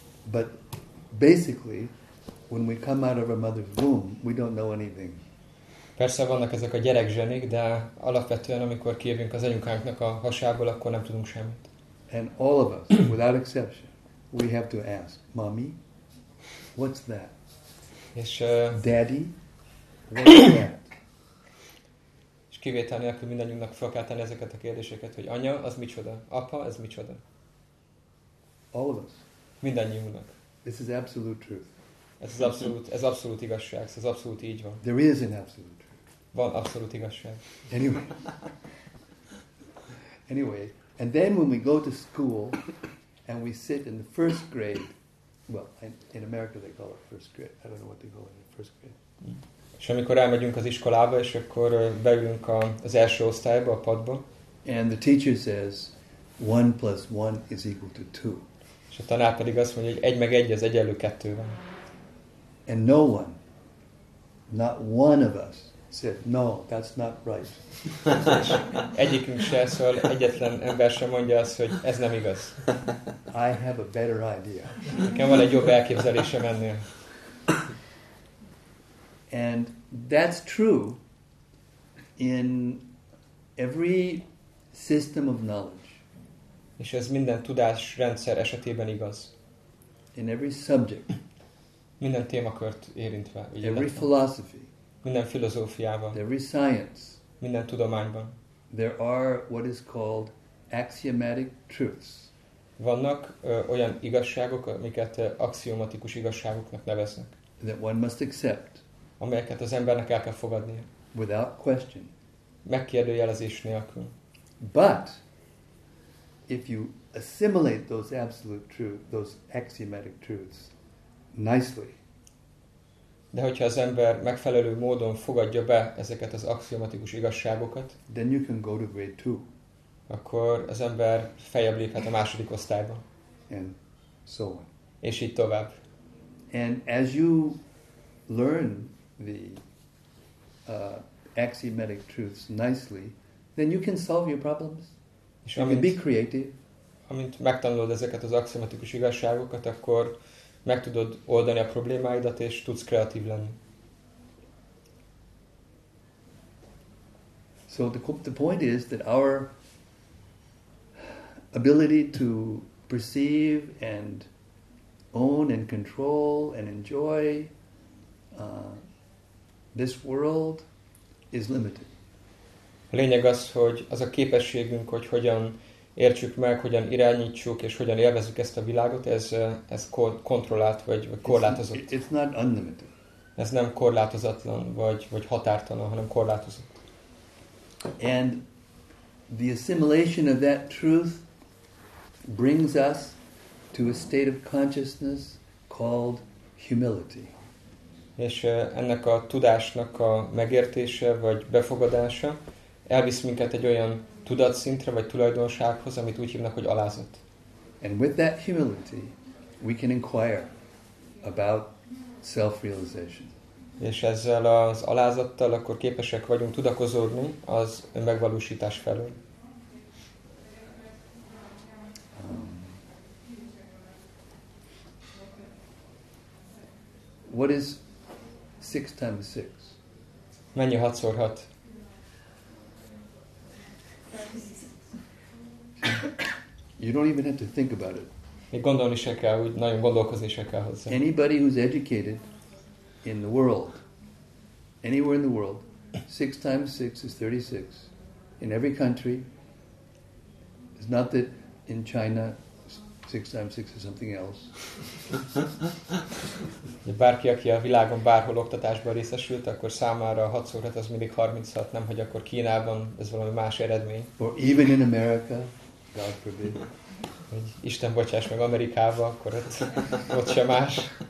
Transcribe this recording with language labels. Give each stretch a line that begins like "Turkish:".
English: But basically, when we come out of our mother's womb, we don't know anything.
Hungarian: Persze vannak ezek a gyerekzsenik, de alapvetően, amikor kijövünk az anyukánknak a hasából, akkor nem tudunk semmit.
English: And all of us, without exception, we have to ask, Mommy, what's that?
Hungarian: És,
English: Daddy, what's that?
Hungarian: És kivétel nélkül mindannyiunknak fel kell tenni ezeket a kérdéseket, hogy anya, az micsoda? Apa, ez micsoda?
English: All of us.
Hungarian: Mindannyiunknak.
English: This is absolute truth.
Hungarian: Ez abszolút igazság, ez abszolút így van.
English: There is an absolute.
Hungarian: Van abszolút igazság.
English: Anyway, and then when we go to school and we sit in the first grade, well, in America they call it first grade. I don't know what they call it in first grade.
Hungarian: És amikor elmegyünk az iskolába, és akkor beülünk az első osztályba, a padba.
English: And the teacher says, 1 + 1 = 2.
Hungarian: És a tanár pedig azt mondja, hogy 1 + 1 = 2.
English: And no one, not one of us, said, no, that's not right.
Hungarian: Egyikünk se, szóval egyetlen ember sem mondja azt, hogy ez nem igaz.
English: I have a better idea.
Hungarian: Nekem van egy jobb elképzelésem ennél.
English: And that's true in every system of knowledge.
Hungarian: És ez minden tudásrendszer esetében igaz.
English: In every subject.
Hungarian: Minden témakört érintve.
English: Every philosophy.
Hungarian: Minden filozófiában.
English: Every science.
Hungarian: Minden tudományban.
English: There are what is called axiomatic truths.
Hungarian: Vannak olyan igazságok, amiket axiomatikus igazságoknak neveznek.
English: That one must accept.
Hungarian: Amelyeket az embernek el kell fogadnia.
English: Without question.
Hungarian: Megkérdőjelezés nélkül.
English: But if you assimilate those absolute truths, those axiomatic truths nicely.
Hungarian: De hogyha az ember megfelelő módon fogadja be ezeket az axiomatikus igazságokat,
English: then you can go to grade 2.
Hungarian: Akkor az ember feljebb léphet a második osztályba.
English: And so on.
Hungarian: És így tovább.
English: And as you learn the axiomatic truths nicely, then you can solve your problems.
Hungarian: És
English: you can be creative.
Hungarian: Amint megtanulod ezeket az axiomatikus igazságokat, akkor meg tudod oldani a problémáidat, és tudsz kreatív lenni.
English: So the point is that our ability to perceive and own and control and enjoy this world is limited.
Hungarian: A lényeg az, hogy az a képességünk, hogy hogyan értsük meg, hogyan irányítsuk és hogyan élvezzük ezt a világot, ez kontrollált vagy korlátozott.
English: It's not unlimited.
Hungarian: Ez nem korlátozatlan vagy határtalan, hanem korlátozott.
English: And the assimilation of that truth brings us to a state of consciousness called humility.
Hungarian: És ennek a tudásnak a megértése vagy befogadása elvisz minket egy olyan tudatszintre vagy tulajdonsághoz, amit úgy hívnak, hogy alázat.
English: And with that humility, we can inquire about self-realization.
Hungarian: És ezzel az alázattal akkor képesek vagyunk tudakozódni az önmegvalósítás felől.
English: What is 6 × 6?
Hungarian: Mennyi 6 × 6?
English: You don't even have to think about it.
Hungarian: Még gondolni se kell, úgy nagyon gondolkozni se kell hozzá.
English: Anybody who's educated in the world, anywhere in the world, 6 × 6 = 36. In every country, It's not that in China 6x6 is something else.
Hungarian: De bárki, aki a világon bárhol oktatásban részesült, akkor számára a 6x6 az mindig 36, nem hogy akkor Kínában ez valami más eredmény.
English: Or even in America, God forbid.
Hungarian: Hogy Isten bocsáss meg Amerikába, akkor ott sem más.